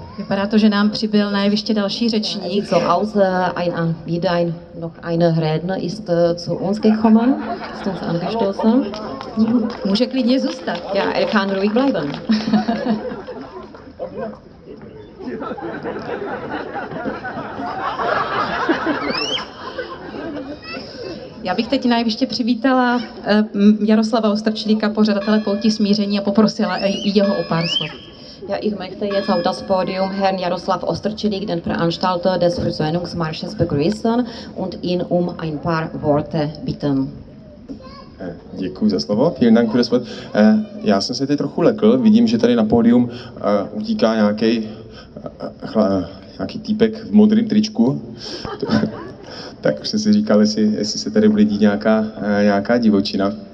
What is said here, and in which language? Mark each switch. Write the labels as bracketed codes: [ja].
[cs] Vypadá to, že nám přibyl na jeviště další řečník. [de] So aus wieder noch ein Redner ist zu uns gekommen, ist uns angestoßen. [cs] Může klidně zůstat. [de] Ja, er kann ruhig bleiben. [cs] Já bych teď nejvíce přivítala Jaroslava Ostrčlíka, pořadatele Pouti smíření, a poprosila jeho o pár slov. [de] Ja, ich möchte jetzt auf das Podium Herrn Jaroslav Ostrčlík, den Veranstalter des Versöhnungsmarsches, begrüßen und ihn ein paar Worte bitten. [cs] Děkuji za slovo. [de] Vielen Dank für das Wort. [cs] Já jsem se teď trochu lekl. Vidím, že tady na pódium utíká nějaký týpek v modrém tričku. Tak už jsem si říkal, jestli se tady vlidí nějaká divočina.